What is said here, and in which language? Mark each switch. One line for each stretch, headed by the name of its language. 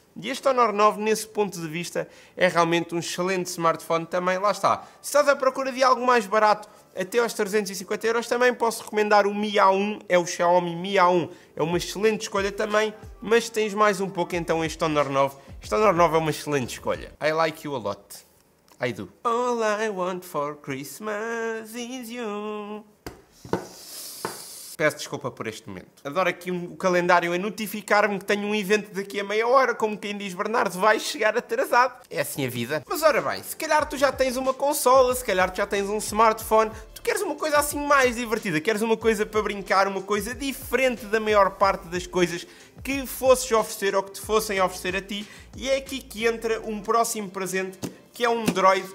Portuguese: E este Honor 9, nesse ponto de vista, é realmente um excelente smartphone também. Lá está. Se estás à procura de algo mais barato, até aos 350€, também posso recomendar o Mi A1, é o Xiaomi Mi A1, é uma excelente escolha também, mas tens mais um pouco, então este Honor 9. Este Honor 9 é uma excelente escolha.
English: I like you a lot. I do. All I want for Christmas is you.
Portuguese: Peço desculpa por este momento. Adoro aqui o calendário a notificar-me que tenho um evento daqui a meia hora, como quem diz, Bernardo, vais chegar atrasado. É assim a vida. Mas ora bem, se calhar tu já tens uma consola, se calhar tu já tens um smartphone, tu queres uma coisa assim mais divertida, queres uma coisa para brincar, uma coisa diferente da maior parte das coisas que fosses oferecer ou que te fossem oferecer a ti, e é aqui que entra um próximo presente, que é um Droid.